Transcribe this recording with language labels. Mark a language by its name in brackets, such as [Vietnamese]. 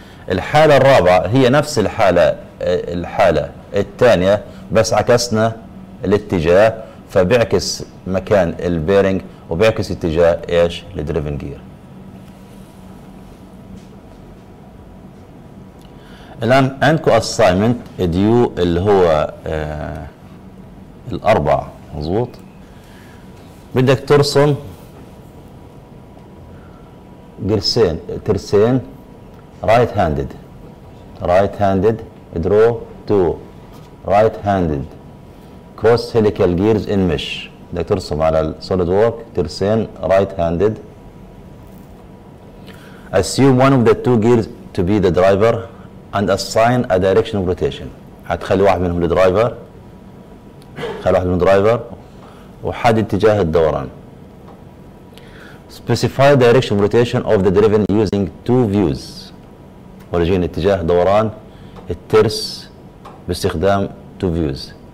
[Arabic] الحالة الرابعة هي نفس الحالة الثانية، بس عكسنا الاتجاه، فبيعكس مكان البيرنج وبيعكس اتجاه ايش الدريفن جير. الان عندكم assignment ديو اللي هو الاربع، مظبوط. بدك ترسم ترسين [English] right handed draw two right handed cross helical gears in mesh. [Arabic] بدك ترسم على السوليد وورك ترسين right handed. [English] assume one of the two gears to be the driver and assign a direction of rotation. [Arabic] هتخلي واحد منهم الدرايفر، خلي واحد منهم الدرايفر وحدد اتجاه الدوران. [English] Specify direction rotation of the driven using two views. [Arabic] ورجين اتجاه دوران الترس باستخدام [English] two views.